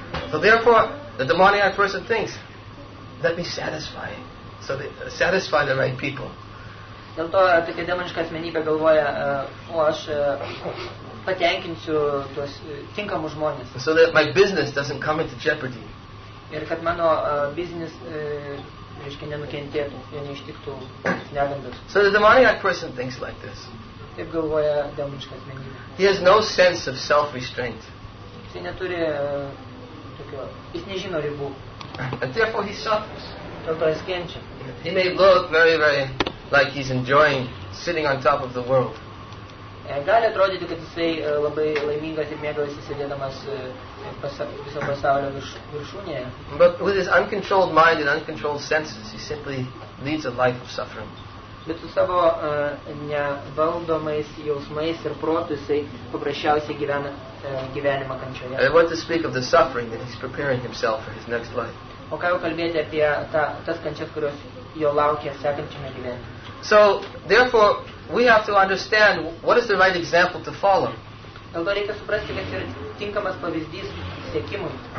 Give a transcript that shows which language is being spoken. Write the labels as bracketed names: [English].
[English] So therefore, the demoniac person thinks, let me satisfy. So they satisfy the right people. [Lithuanian] Dėl to tokia demoniška asmenybė galvoja, o aš patenkinsiu tuos tinkamus žmonės. [English] So that my business doesn't come into jeopardy. [Lithuanian] Ir kad mano business, reiškia, nenukentėtų, jo neištiktų negandos. [English] So the demoniac person thinks like this. [Lithuanian] Taip galvoja demoniška asmenybė. [English] He has no sense of self-restraint. [Lithuanian] Jis neturi tokio, jis nežino ribų. [English] And therefore he suffers. [Lithuanian] Dėl to jis kenčia. [English] He may look very, very like he's enjoying sitting on top of the world. [Lithuanian] Gali atrodyti, kad jisai labai laimingas ir mėgavasi sėdėdamas viso pasaulio viršūnėje. [English] But with his uncontrolled mind and uncontrolled senses, he simply leads a life of suffering. [Lithuanian] Bet su savo nevaldomais jausmais ir protu jisai paprasčiausiai gyvena gyvenimą kančioje. [English] I want to speak of the suffering that he's preparing himself for his next life. [Lithuanian] O ką jau kalbėti apie tas kančias, kurios jo laukia sekančiame gyvenime. [English] So, therefore, we have to understand what is the right example to follow. [Lithuanian] Dėl to reikia suprasti, kas yra tinkamas pavyzdys sekimui.